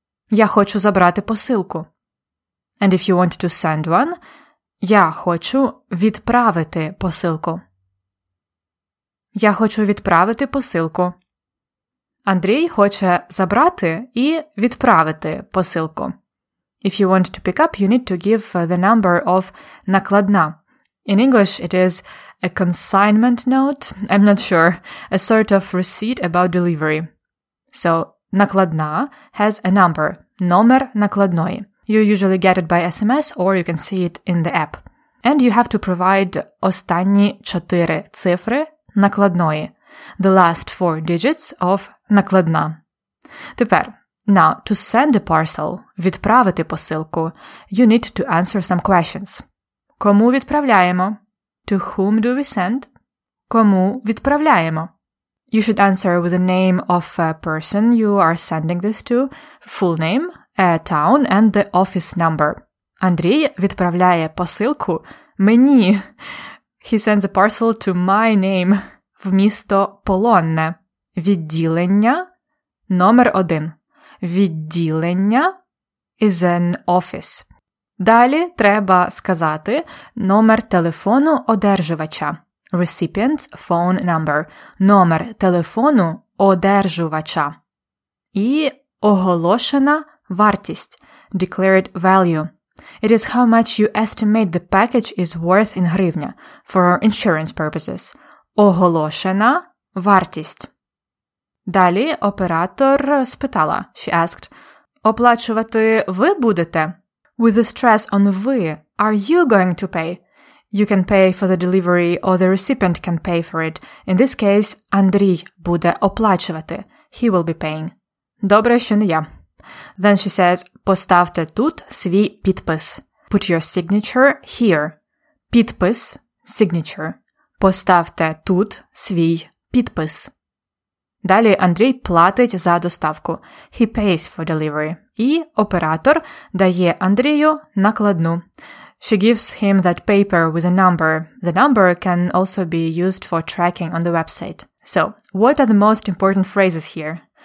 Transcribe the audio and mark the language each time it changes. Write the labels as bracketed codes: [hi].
[uk] «Я хочу забрати посилку». [en] And if you want to send one, [uk] «Я хочу відправити посилку». «Я хочу відправити посилку». Андрій хоче забрати і відправити посилку. [en] If you want to pick up, you need to give the number of накладна. In English, it is a consignment note, I'm not sure, a sort of receipt about delivery. So, накладна has a number, [uk] номер накладної. [en] You usually get it by SMS or you can see it in the app. And you have to provide [uk] останні 4 цифри накладної, [en] the last 4 digits of накладна. Тепер, now, to send a parcel, [uk] відправити посилку, [en] you need to answer some questions. [uk] Кому відправляємо? [en] To whom do we send? [uk] Кому відправляємо? [en] You should answer with the name of a person you are sending this to, full name, a town, and the office number. [uk] Андрій відправляє посилку мені. [en] He sends a parcel to my name. [uk] В місто Полонне. Відділення номер 1. Відділення [en] is an office. [uk] Далі треба сказати номер телефону одержувача. [en] Recipient's phone number. [uk] Номер телефону одержувача. І оголошена вартість. [en] Declared value. It is how much you estimate the package is worth in гривня for insurance purposes. [uk] Оголошена вартість. Далі оператор спитала. [en] She asked, [uk] оплачувати ви будете? [en] With the stress on ви, are you going to pay? You can pay for the delivery or the recipient can pay for it. In this case, [uk] Андрій буде оплачувати. [en] He will be paying. [uk] Добре, що не я. [en] Then she says, [uk] поставте тут свій підпис. [en] Put your signature here. Підпис, signature. [uk] Поставте тут свій підпис. Далі Андрій платить за доставку. [en] He pays for delivery. [uk] І оператор дає Андрію накладну. [en] She gives him that paper with a number. The number can also be used for tracking on the website. So, what are the most important phrases here?